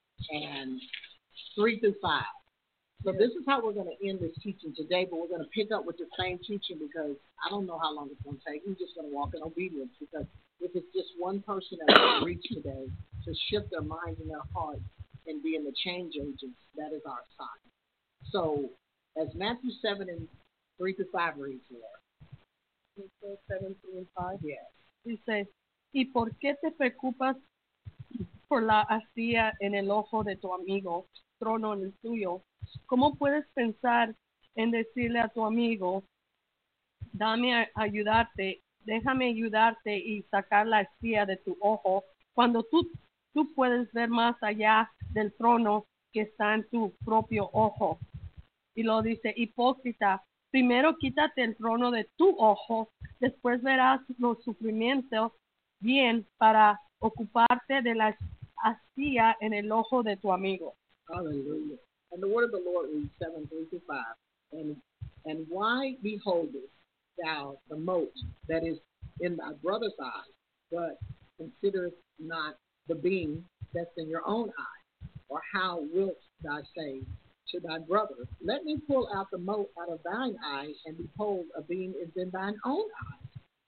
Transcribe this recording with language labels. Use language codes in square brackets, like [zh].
[en] And 3-5. So this is how we're going to end this teaching today, but we're going to pick up with the same teaching because I don't know how long it's going to take. We're just going to walk in obedience because if it's just one person that we reach today to shift their minds and their hearts and being the change agents, that is our sign. So as Matthew 7 and 3-5 reads here, 7:3-5. Yeah. It says, [es] ¿y por qué te preocupas por la astilla en el ojo de tu amigo, trono en el tuyo? ¿Cómo puedes pensar en decirle a tu amigo, dame a ayudarte, déjame ayudarte y sacar la astilla de tu ojo, cuando tú puedes ver más allá del trono que está en tu propio ojo? Y lo dice, hipócrita, primero quítate el trono de tu ojo, después verás los sufrimientos bien para ocuparte de la astilla en el ojo de tu amigo. [en] Hallelujah. And the word of the Lord is 7:3-5. And why beholdest thou the mote that is in thy brother's eye, but considerest not the beam that's in your own eye? Or how wilt thou say to thy brother, let me pull out the mote out of thine eye, and behold, a beam is in thine own eye?